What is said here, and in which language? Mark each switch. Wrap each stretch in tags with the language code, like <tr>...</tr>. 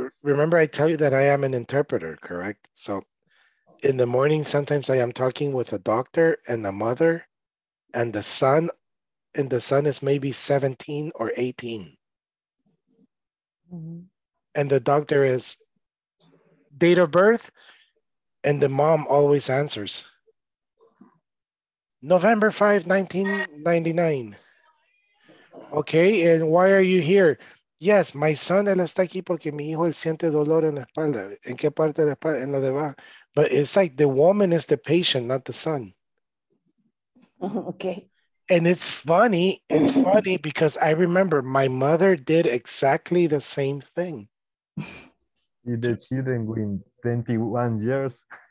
<en>Remember I tell you that I am an interpreter, correct? So. In the morning, sometimes I am talking with a doctor and a mother and the son, and the son is maybe 17 or 18. Mm-hmm. And the doctor is date of birth, and the mom always answers, November 5, 1999. Okay, and why are you here? Yes, my son,</en> <es>él está aquí porque mi hijo él siente dolor en la espalda. ¿En qué parte de la espalda? En la de abajo.</es> <en>But it's like the woman is the patient, not the son. Okay. And it's funny. It's funny because I remember my mother did exactly the same thing. You did cheating within 21 years.</en>